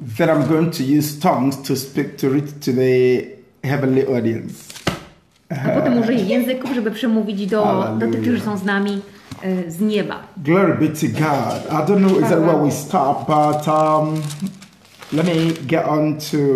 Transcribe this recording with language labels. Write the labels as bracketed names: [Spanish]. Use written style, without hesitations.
[English] Then I'm going to use tongues to speak to read to the heavenly audience. [Polish] A potem użyję języków, żeby przemówić do tych, którzy są z nami z nieba. [English] Glory be to God. I don't know exactly where we stop, but let me get on to